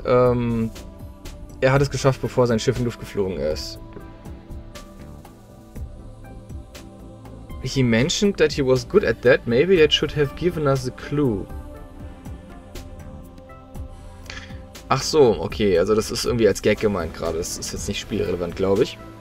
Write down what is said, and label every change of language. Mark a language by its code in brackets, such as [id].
[de] Er hat es geschafft, bevor sein Schiff in Luft geflogen ist. [en] He mentioned that he was good at that. Maybe it should have given us a clue. [de] Ach so, okay. Also das ist irgendwie als Gag gemeint gerade. Das ist jetzt nicht spielrelevant, glaube ich.